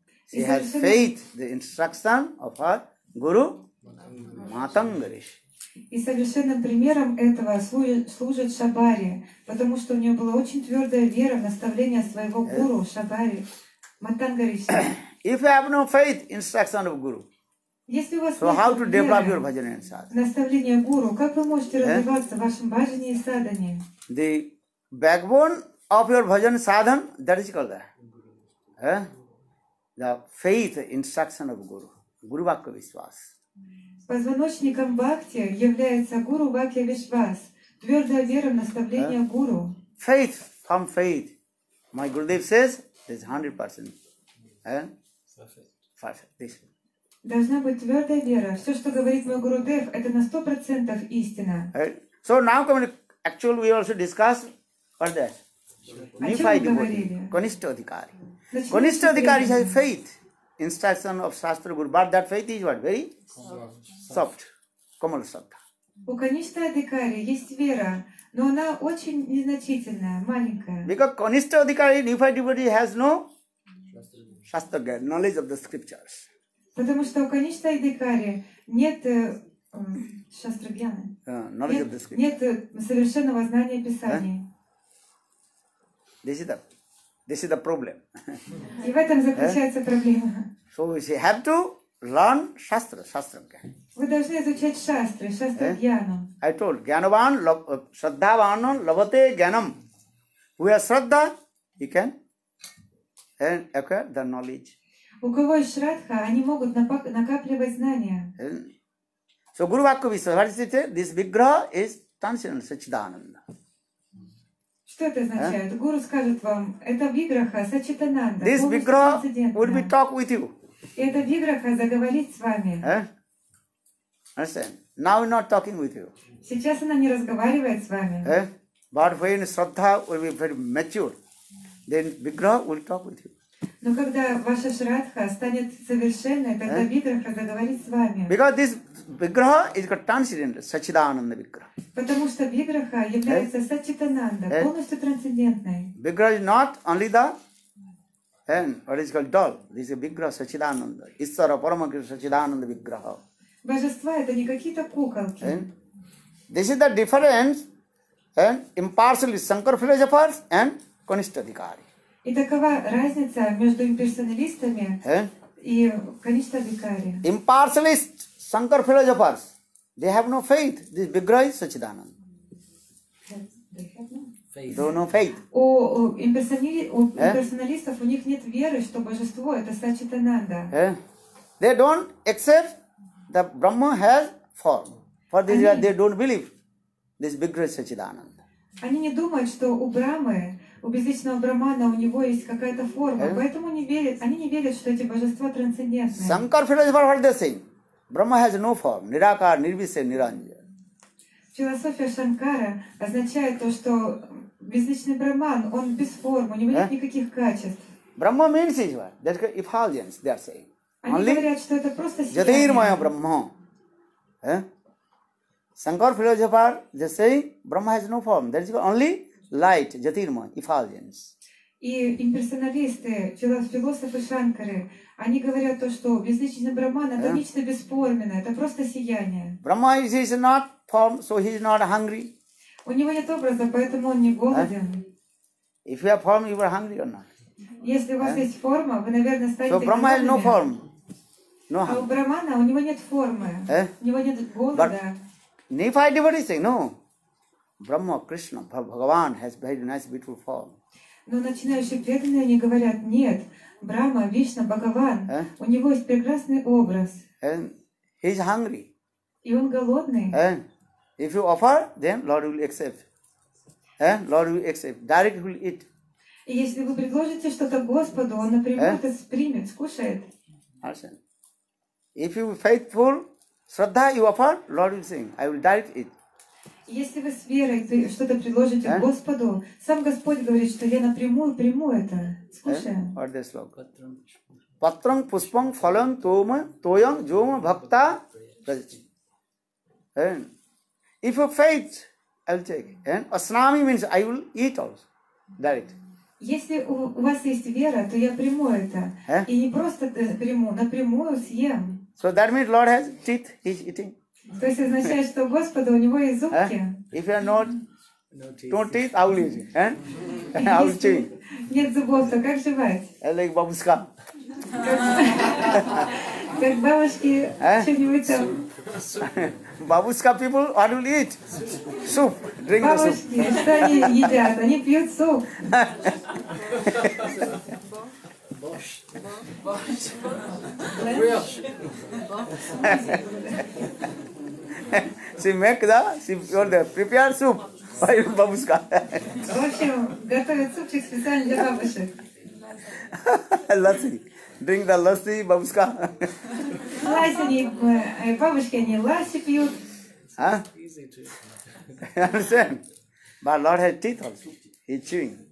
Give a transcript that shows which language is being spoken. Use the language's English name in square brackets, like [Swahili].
[English] She has faith, the instruction of her Guru Matangarishi. [Russian] И совершенно примером этого служит Шабари, потому что у нее была очень твердая вера в наставление своего гуру Шабари Матангариши. [English] If you have no faith, instruction of guru. [Russian] Если у вас [English] so how to develop your bhajan and sadhana? [Russian] Наставление гуру, как вы можете развиваться в вашем бхаджане и садхане? [English] The backbone of your bhajan sadhan, that is called that. The faith, instruction of guru. Guru Bhakti Vishwas. [Russian] Позвоночником бхакти является гуру бхакти вишвас, твердая вера в наставление гуру. [English] Faith, from faith. My Gurudev says, this 100%. Perfect. [Russian] Должна быть твердая вера. Все, что говорит мой Гурудев, это на 100% истина. [English] So now, actually, we also discuss, what is that? Нифай деводи. Коништа адхикари. Коништа адхикари has faith. Instruction of Shastra Guru, but that faith is what? Very soft. Komal Shraddha. [Russian] У Каништа Адхикари есть вера, но она очень незначительная, маленькая. [English] Because Каништа Адхикари, Nifai devotee, has no Shastra Guru, knowledge of the scriptures. [Russian] Потому что у Каништа Адхикари нет Shastra Gyana. [English] Knowledge of the scriptures. [Russian] Нет совершенного знания Писания. [English] This is the problem. [Russian] И в этом заключается проблема. [English] So we have to learn Shastra, Shastra Gyan. [Russian] Вы должны изучать Shastra, Shastra Gyanam. [English] I told, Gyanavan, Shraddhavan, Lavate, Gyanam. Who has Shraddha, he can acquire the knowledge. [Russian] У кого есть Shraddha, они могут накапливать знания. [English] So Guru Vakku Vishwas, what is it? This Vigraha is transcendental, Sachidananda. [Russian] Что это означает? Гуру скажет вам, это виграха, сачитананда. [English] This виграха would be talk with you. [Russian] И это виграха заговорит с вами. [English] Understand? Now we're not talking with you. [Russian] Сейчас она не разговаривает с вами. [English] But when Shraddha will be very mature, then виграха will talk with you. [Russian] Но когда ваша Шраддха станет совершенной, тогда виграха заговорит с вами. [English] Because this Vigraha is a transcendental, Sachidananda Vigraha. [Russian] Потому что Vigraha является Sachitananda, полностью трансцендентной. [English] Vigraha is not only the, what is called doll. This is a Vigraha, Sachidananda. Ishvara Paramakrishna Sachidananda Vigraha. [Russian] Божества это не какие-то куколки. [English] This is the difference, impersonal Shankara philosophers and Kanishta Adhikari. [Russian] И такова разница между имперсоналистами и Kanishta Adhikari. [English] Impersonalist. Shankar philosophers, they have no faith. This Vigraha is Sachidananda. They have no faith. [Russian] У имперсоналистов у них нет веры, что божество это Сачитананда. [English] They don't accept that Brahma has form. For this reason, they don't believe this Vigraha is Sachidananda. [Russian] Они не думают, что у Брамы, у безличного Брамана, у него есть какая-то форма. Поэтому не верят. Они не верят, что эти божества трансцендентны. [English] Shankar philosophers are the same. Brahma has no form. Nirakar, Nirvishesh, Niranjaya. [Russian] Философия Шанкара означает то, что безличный Брахман, он без формы, у него нет никаких качеств. [English] Brahma means is what? That's called effulgence, they are saying. [Russian] Они говорят, что это просто сияние. [English] Jatirmaya Brahma. Shankar philosopher, they say, Brahma has no form. That's called only light, Jatirmaya, effulgence. [Russian] И имперсоналисты, философы Шанкары, они говорят то, что безличный Брахман это нечто бесформенное, это просто сияние. [English] Brahma is not form, so he is not hungry. [Russian] У него нет образа, поэтому он не голоден. [English] If you have form, you are hungry or not? [Russian] Если у вас есть форма, вы, наверное, станете голодными. [English] So Brahma has no form. No hungry. [Russian] А у Брахмана, у него нет формы, у него нет голода. [English] But Nifai devotee say, no. Brahma, Krishna, Bhagavan has very nice, beautiful form. [Russian] Но начинающие преданные, они говорят, нет, Брахма, Вишна, Бхагаван, у него есть прекрасный образ. [English] He is hungry. [Russian] И он голодный. [English] If you offer, then Lord will accept. Lord will accept. Direct will eat. [Russian] И если вы предложите что-то Господу, он напрямую это примет, скушает. [English] Understand? If you are faithful, Shraddha you offer, Lord will sing, I will direct eat. [Russian] Если вы с верой что-то предложите Господу, сам Господь говорит, что я напрямую приму это. Скушаем. [English] What is this slog? Patram puspam phalam toma toyam joma bhakta prajati. If you faith, I will take. Asnami means I will eat also. Дарит. [Russian] Если у вас есть вера, то я приму это. Eh? И не просто приму, напрямую съем. [English] So that means Lord has teeth, he's eating. [Russian] То есть означает, что Господа, у него есть зубки. [English] If you are not, no teeth, how will you eat? How will you eat? [Russian] Нет зубов, то как жевать? [English] Like бабушка. [Russian] Как бабушки что-нибудь там. [English] Бабушка people, what will eat? Soup, drink [Russian] бабушки, [English] the soup. [Russian] Бабушки, что они едят? Они пьют суп. [English] She make the, she prepare the prepare soup for your бабушка. [Russian] В общем, готовят супчик специально для бабушек. [English] Lassi, drink the lassi, бабушка. [Russian] Lassi, бабушки они lassi пьют. [English] Huh? You understand? But Lord has teeth also. He's chewing.